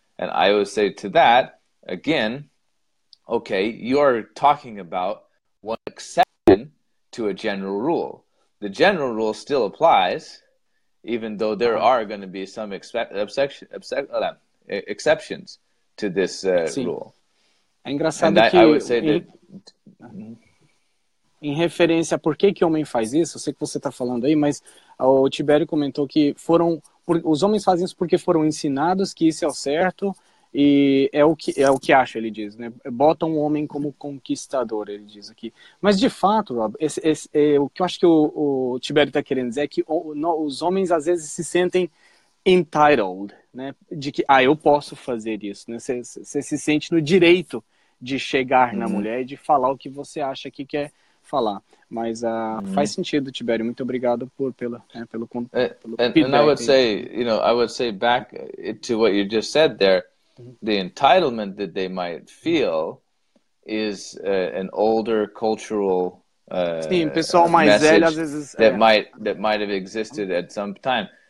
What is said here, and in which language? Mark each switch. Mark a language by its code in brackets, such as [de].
[en] And I would say to that, again, okay, you're talking about one exception to a general rule. The general rule still applies, even though there are going to be some exceptions to this rule. [pt] É engraçado que... [en] I would say that... [pt] Em referência a por que que homem faz isso, eu sei que você está falando aí, mas o Tibério comentou que foram... Os homens fazem isso porque foram ensinados que isso é o certo... E é o que acha, ele diz, né? Bota um homem como conquistador, ele diz aqui. Mas, de fato, Rob, o que eu acho que o Tibério está querendo dizer é que os homens, às vezes, se sentem entitled, né? De que, eu posso fazer isso, né? Você se sente no direito de chegar na mulher e de falar o que você acha que quer falar. Mas faz sentido, Tibério. Muito obrigado pelo feedback. [en] And I would say, I would say back to what you just said there, the entitlement that they might feel is an older cultural message that might have existed at some time.